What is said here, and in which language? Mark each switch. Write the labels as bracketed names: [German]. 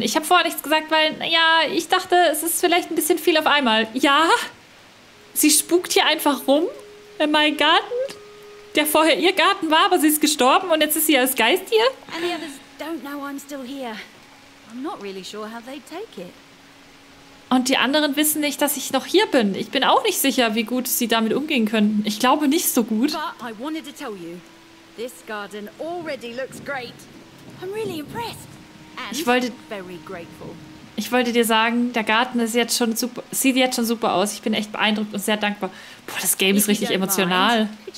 [German] Ich habe vorher nichts gesagt, weil, naja, ich dachte, es ist vielleicht ein bisschen viel auf einmal. Ja? Sie spukt hier einfach rum in meinem Garten, der vorher ihr Garten war, aber sie ist gestorben und jetzt ist sie als Geist hier? [English] And the others don't know I'm still here. I'm not really sure how they'd take it. [German] Und die anderen wissen nicht, dass ich noch hier bin. Ich bin auch nicht sicher, wie gut sie damit umgehen könnten. Ich glaube nicht so gut. [English] But I wanted to tell you, this garden already looks great. I'm really impressed. And very grateful. [German] Ich wollte dir sagen, der Garten ist jetzt schon super, sieht jetzt schon super aus. Ich bin echt beeindruckt und sehr dankbar. Boah, das Game ist richtig emotional.